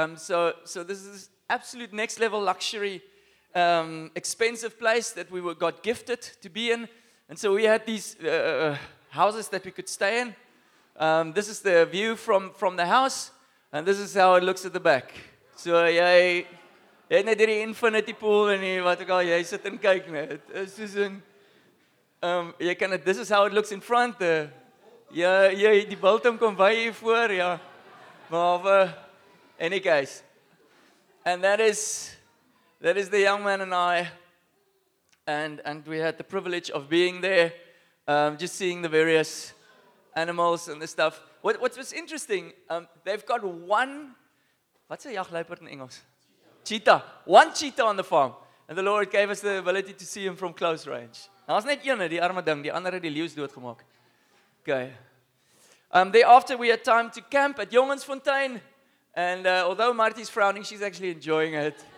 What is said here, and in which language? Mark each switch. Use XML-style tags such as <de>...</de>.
<en>So this is absolute next level luxury, expensive place that we got gifted to be in. And so we had these houses that we could stay in. This is the view from the house. And this is how it looks at the back.</en> <af>So jy het net hierdie infinity pool en nie, wat ook al jy sit en kyk net. Is soos 'n jy kan dit</af> <en>this is how it looks in front.</en> <af>Ja, ja, die bultum kom by hier voor, ja. Maar</af> <en>any guys. And that is the young man and I and we had the privilege of being there just seeing the various animals and the stuff. What was interesting, they've got one, what's a jagluiperd in Engels? Cheetah. One cheetah on the farm. And the Lord gave us the ability to see him from close range.</en> <af>Nou was net een, die arme ding, die ander het die leeu doodgemaak.</af> <en>Okay. Thereafter we had time to camp at Jongensfontein. And although Marty's frowning, she's actually enjoying it.</en>